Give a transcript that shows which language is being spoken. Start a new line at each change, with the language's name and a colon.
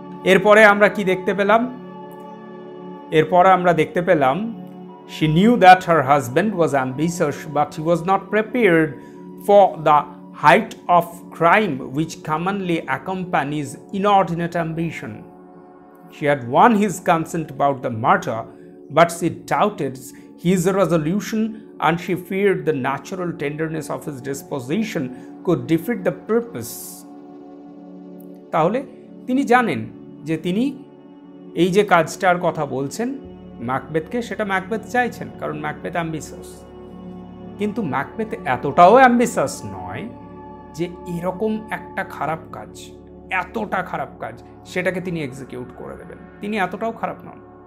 Bangla: এরপরে আমরা কি দেখতে পেলাম,
English: এরপরে আমরা দেখতে পেলাম she knew that her husband was ambitious but he was not prepared for the height of crime which commonly accompanies inordinate ambition. She had won his consent about the murder, but she doubted his resolution and she feared the natural tenderness of his disposition could defeat the purpose.
Bangla: তাহলে তিনি জানেন যে তিনি এই যে কাজটার কথা বলছেন ম্যাকবেথকে, সেটা ম্যাকবেথ চাইছেন, কারণ ম্যাকবেথ অ্যাম্বিশাস। কিন্তু ম্যাকবেথ এতটাও অ্যাম্বিশাস নয় যে এরকম একটা খারাপ কাজ, এতটা খারাপ কাজ সেটাকে তিনি এক্সিকিউট করে দেবেন, তিনি এতটাও খারাপ নন।